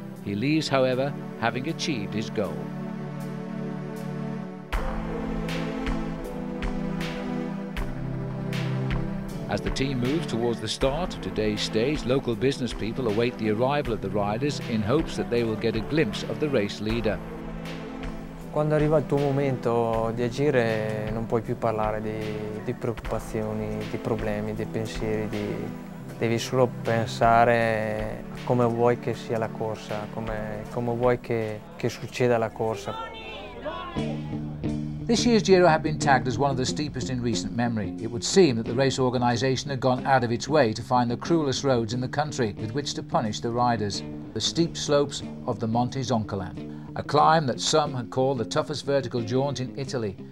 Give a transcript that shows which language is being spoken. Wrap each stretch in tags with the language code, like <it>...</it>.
<en>He leaves, however, having achieved his goal. As the team moves towards the start of today's stage, local business people await the arrival of the riders in hopes that they will get a glimpse of the race leader.</en> <it>Quando arriva il tuo momento di agire, non puoi più parlare di preoccupazioni, di problemi, di pensieri. Devi solo pensare a come vuoi che sia la corsa, come vuoi che succeda la corsa.</it> <en>This year's Giro had been tagged as one of the steepest in recent memory. It would seem that the race organisation had gone out of its way to find the cruelest roads in the country with which to punish the riders. The steep slopes of the Monte Zoncolan, a climb that some had called the toughest vertical jaunt in Italy.</en>